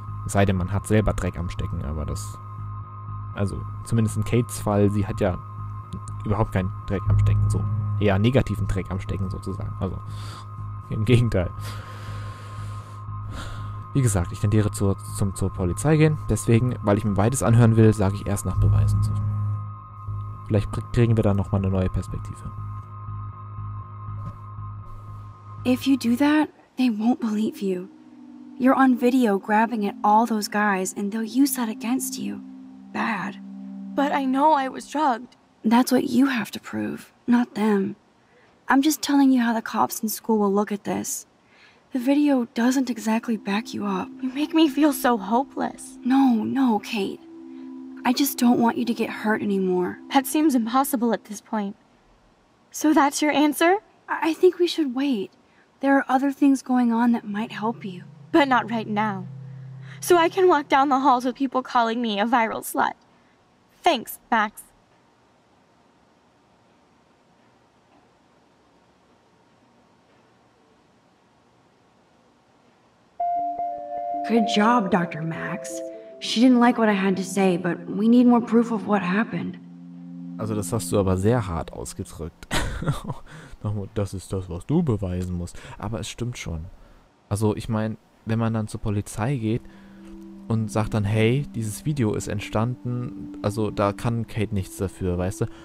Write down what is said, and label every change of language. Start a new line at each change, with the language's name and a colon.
German: Es sei denn, man hat selber Dreck am Stecken, aber das, also zumindest in Kates Fall, sie hat ja überhaupt keinen Dreck am Stecken, so eher negativen Dreck am Stecken sozusagen, also im Gegenteil. Wie gesagt, ich tendiere zur Polizei gehen, deswegen, weil ich mir beides anhören will, sage ich erst nach Beweisen. So. Vielleicht kriegen wir da nochmal eine neue Perspektive.
English: If you do that, they won't believe you. You're on video grabbing at all those guys and they'll use that against you. Bad. But I know I was drugged. That's what you have to prove, not them. I'm just telling you how the cops in school will look at this. The video doesn't exactly back you up. You make me feel so hopeless. No, no, Kate. I just don't want you to get hurt anymore. That seems impossible at this point. So that's your answer? I think we should wait. There are other things going on that might help you. But not right now. So I can walk down the halls with people calling me a viral slut. Thanks, Max. Good job, Dr. Max. She didn't like what I had to say, but we need more proof of what happened.
German: Also, das hast du aber sehr hart ausgedrückt. Das ist das, was du beweisen musst. Aber es stimmt schon. Also, ich meine, wenn man dann zur Polizei geht und sagt dann, hey, dieses Video ist entstanden, also da kann Kate nichts dafür, weißt du?